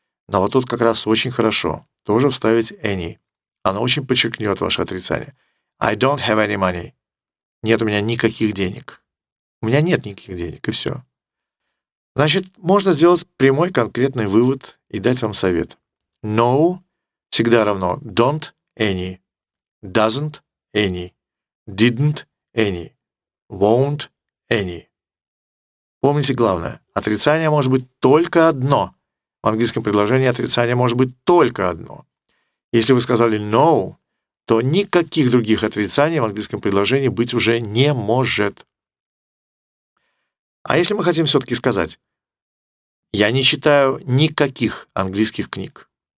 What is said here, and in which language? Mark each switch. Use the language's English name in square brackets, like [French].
[Russian] Но вот тут как раз очень хорошо тоже вставить any. Оно очень подчеркнет ваше отрицание. [English] I don't have any money. [Russian] Нет у меня никаких денег. У меня нет никаких денег, и все. Значит, можно сделать прямой конкретный вывод и дать вам совет. [English] No [Russian] всегда равно [English] don't any, doesn't any, didn't any, won't any. [Russian] Помните главное, отрицание может быть только одно. В английском предложении отрицание может быть только одно. Если вы сказали no, то никаких других отрицаний в английском предложении быть уже не может. А если мы хотим все-таки сказать, я не читаю никаких английских книг.